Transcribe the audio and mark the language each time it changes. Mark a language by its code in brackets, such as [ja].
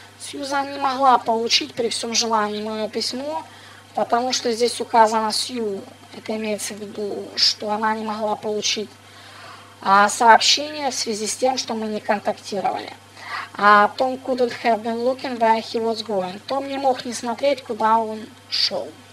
[ru] Сьюзан не могла получить при всем желании мое письмо, потому что здесь указано Сью, это имеется в виду, что она не могла получить сообщение в связи с тем, что мы не контактировали. [en] Tom couldn't have been looking where he was going. [ru] Том не мог не смотреть, куда он шел.